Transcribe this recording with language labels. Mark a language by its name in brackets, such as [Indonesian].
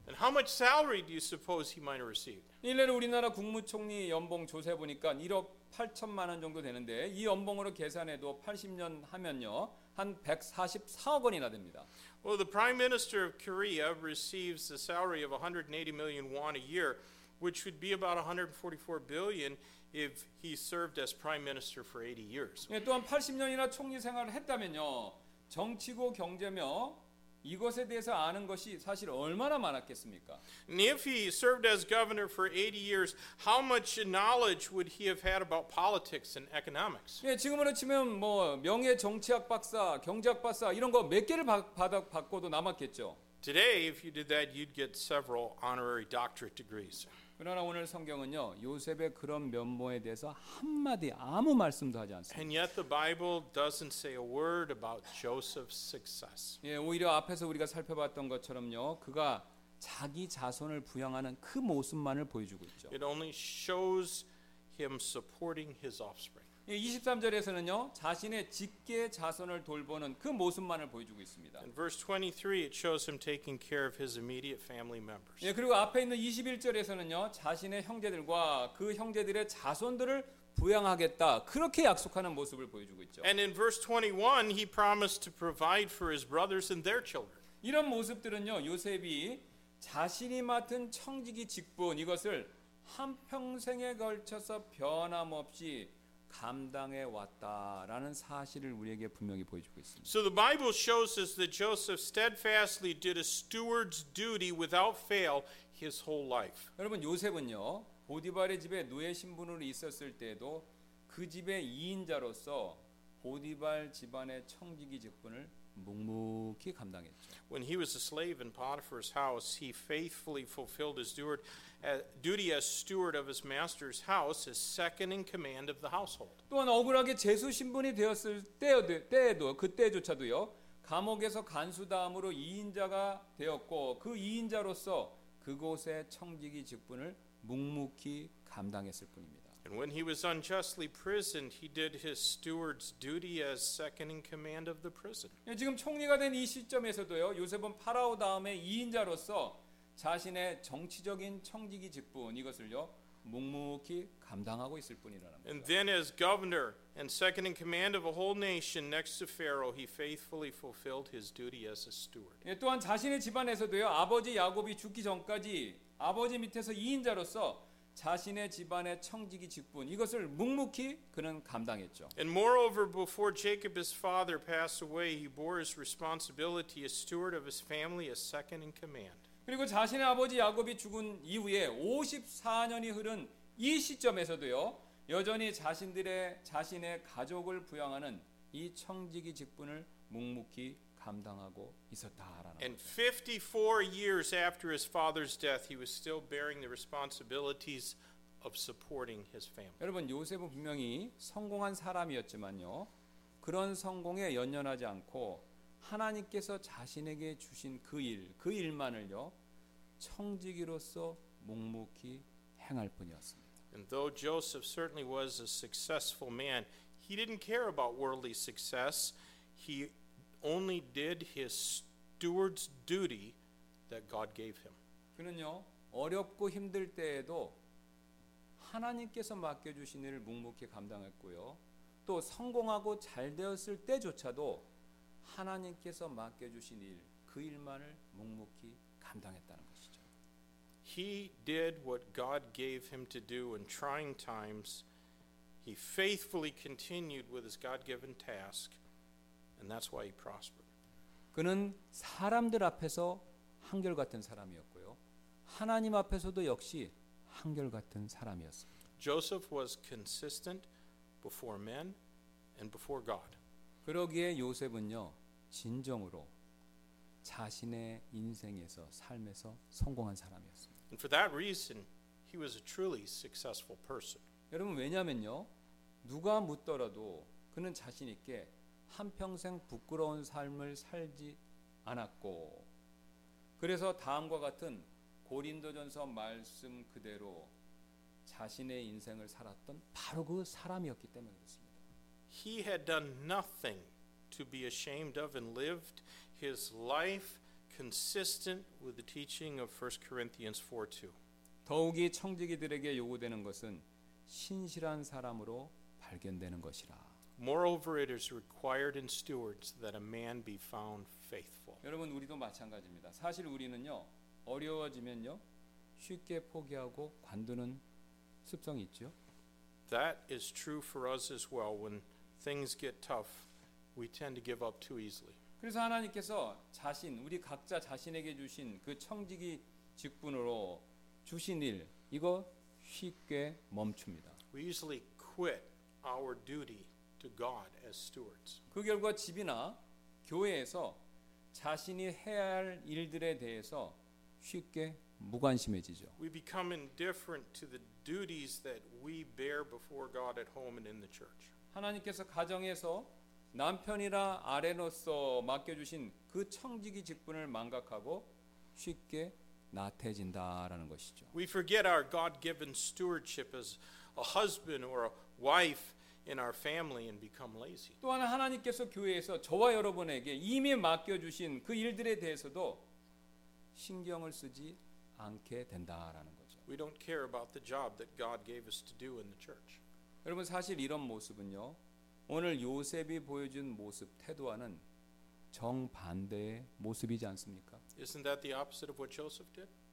[English] And how much salary do you suppose he might have received? [Korean] 일례로 우리나라 국무총리 연봉 조사해 보니까 1억 8천만 원 정도 되는데 이 연봉으로 계산해도 80년 하면요 한 144억 원이나 됩니다. [English] Well, the Prime Minister of Korea receives a salary of 180 million won a year, which would be about 144 billion if he served as Prime Minister for 80 years. [Korean] 예, 또한 80년이나 총리 생활을 했다면요 정치고 경제며 이것에 대해서 아는 것이 사실 얼마나 많았겠습니까? [English] And if he served as governor for 80 years, how much knowledge would he have had about politics and economics? [Korean] 예, 지금으로 치면 뭐 명예 정치학 박사, 경제학 박사 이런 거 몇 개를 받고도 남았겠죠. [English] Today, if you did that, you'd get several honorary doctorate degrees. [Korean] 그러나 오늘 성경은요, 요셉의 그런 면모에 대해서 한마디 아무 말씀도 하지 않습니다. [English] And yet the Bible doesn't say a word about Joseph's success. [Korean] 예, 오히려 앞에서 우리가 살펴봤던 것처럼요, 그가 자기 자손을 부양하는 그 모습만을 보여주고 있죠. [English] It only shows him supporting his offspring. [Korean] 예, 23절에서는요, 자신의 직계 자손을 돌보는 그 모습만을 보여주고 있습니다. [English] In verse 23, it shows him taking care of his immediate family members. [Korean] 예, 그리고 앞에 있는 21절에서는요, 자신의 형제들과 그 형제들의 자손들을 부양하겠다 그렇게 약속하는 모습을 보여주고 있죠. [English] And in verse 21, he promised to provide for his brothers and their children. [Korean] 이런 모습들은요, 요셉이 자신이 맡은 청지기 직분 이것을 한 평생에 걸쳐서 변함없이 감당해 왔다라는 사실을 우리에게 분명히 보여주고 있습니다. [English] So the Bible shows us that Joseph steadfastly did a steward's duty without fail his whole life. [Korean] 여러분 요셉은요 보디발의 집에 노예 신분으로 있었을 때도 그 집의 2인자로서 보디발 집안의 청지기 직분을 묵묵히 감당했죠. [English] When he was a slave in Potiphar's house, he faithfully fulfilled his duty as steward of his master's house, as second in command of the household. [Korean] 또한 억울하게 죄수 신분이 되었을 때에도 그때조차도요 감옥에서 간수 다음으로 2인자가 되었고 그 2인자로서 그곳의 청지기 직분을 묵묵히 감당했을 뿐입니다. [English] And when he was unjustly imprisoned, he did his steward's duty as second in command of the prison. [Korean] 지금 총리가 된 이 시점에서도요, 요셉은 파라오 다음에 2인자로서 자신의 정치적인 청지기 직분 이것을요 묵묵히 감당하고 있을 뿐이라는 겁니다. [English] And then as governor and second in command of a whole nation next to Pharaoh, he faithfully fulfilled his duty as a steward. [Korean] 또한 자신의 집안에서도요, 아버지 야곱이 죽기 전까지 아버지 밑에서 2인자로서 자신의 집안의 청지기 직분 이것을 묵묵히 그는 감당했죠. [English] And moreover, before Jacob his father passed away, he bore his responsibility as steward of his family as second in command. [Korean] 그리고 자신의 아버지 야곱이 죽은 이후에 54년이 흐른 이 시점에서도요, 여전히 자신의 가족을 부양하는 이 청지기 직분을 묵묵히 감당하고 있었다라는. [English] And 54 years after his father's death, he was still bearing the responsibilities of supporting his family. [Korean] 여러분 요셉은 분명히 성공한 사람이었지만요, 그런 성공에 연연하지 않고 하나님께서 자신에게 주신 그 일만을요 청지기로서 묵묵히 행할 뿐이었습니다. [English] And though Joseph certainly was a successful man, he didn't care about worldly success. He only did his steward's duty that God gave him. [Korean] 그는요 어렵고 힘들 때에도 하나님께서 맡겨주신 일을 묵묵히 감당했고요. 또 성공하고 잘 되었을 때조차도 하나님께서 맡겨주신 일 그 일만을 묵묵히 감당했다는 것이죠. [English] He did what God gave him to do in trying times. He faithfully continued with his God-given task. And that's why he prospered. [Korean] 그는 사람들 앞에서 한결같은 사람이었고요. 하나님 앞에서도 역시 한결같은 사람이었습니다. [English] Joseph was consistent before men and before God. [Korean] 그러기에 요셉은요, 진정으로 자신의 인생에서 삶에서 성공한 사람이었습니다. [English] And for that reason, he was a truly successful person. [Korean] 여러분 왜냐면요, 누가 묻더라도 그는 자신 있게 한 평생 부끄러운 삶을 살지 않았고 그래서 다음과 같은 고린도전서 말씀 그대로 자신의 인생을 살았던 바로 그 사람이었기 때문에 그렇습니다. [English] He had done nothing to be ashamed of and lived his life consistent with the teaching of 1 Corinthians 4:2. [Korean] 더욱이 청지기들에게 요구되는 것은 신실한 사람으로 발견되는 것이라. [English] Moreover, it is required in stewards that a man be found faithful. [Korean] 여러분 우리도 마찬가지입니다. 사실 우리는요 어려워지면요 쉽게 포기하고 관두는 습성이 있죠. [English] That is true for us as well. When things get tough, we tend to give up too easily. [Korean] 그래서 하나님께서 우리 각자 자신에게 주신 그 청지기 직분으로 주신 일 이거 쉽게 멈춥니다. [English] We easily quit our duty. To God as stewards. [Korean] 그 결과 집이나 교회에서 자신이 해야 할 일들에 대해서 쉽게 무관심해지죠. [English] We become indifferent to the duties that we bear before God at home and in the church. [Korean] 하나님께서 가정에서 남편이나 아내로서 맡겨주신 그 청지기 직분을 망각하고 쉽게 나태해진다라는 것이죠. [English] We forget our God-given stewardship as a husband or a wife. In our family and become lazy. [Korean] 또한 하나님께서 교회에서 저와 여러분에게 이미 맡겨주신 그 일들에 대해서도 신경을 쓰지 않게 된다라는 거죠. [English] We don't care about the job that God gave us to do in the church. [Korean] 여러분 사실 이런 모습은요 오늘 요셉이 보여준 모습 태도와는 정반대의 모습이지 않습니까? [English] Isn't that the opposite of what Joseph did?